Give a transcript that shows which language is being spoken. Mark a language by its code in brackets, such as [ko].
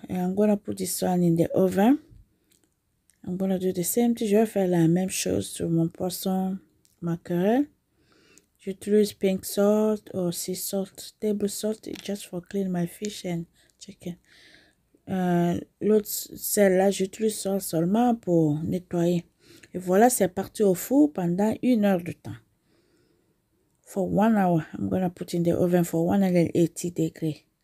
[en] And I'm going to put this one in the oven. I'm going to do the same thing. [fr] Je vais faire la même chose sur mon poisson mackerel. J'utilise [en] pink salt or sea salt. Table salt just for clean my fish and chicken. [fr] L'autre celle-là, j'utilise ça seulement pour nettoyer. Et voilà, c'est parti au four pendant 1 heure de temps. [en] For 1 hour, I'm gonna put in the oven for 180 degrees.